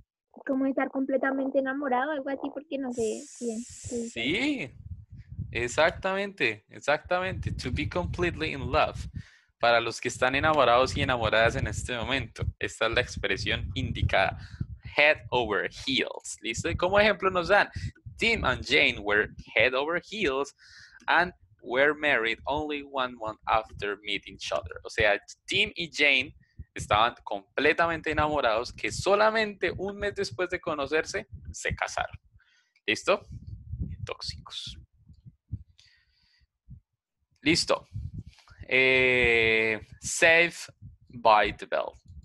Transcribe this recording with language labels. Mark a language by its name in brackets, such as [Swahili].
[Spanish] Como estar completamente enamorado, algo así, porque no sé quién. Sí. Exactamente. [English] To be completely in love. [Spanish] Para los que están enamorados y enamoradas en este momento, esta es la expresión indicada. [English] Head over heels. [Spanish] ¿Listo? Y como ejemplo nos dan. [English] Tim and Jane were head over heels and were married only one month after meeting each other. [Spanish] O sea, Tim y Jane estaban completamente enamorados que solamente un mes después de conocerse, se casaron. ¿Listo? Tóxicos. Listo. [English] Save by the bell.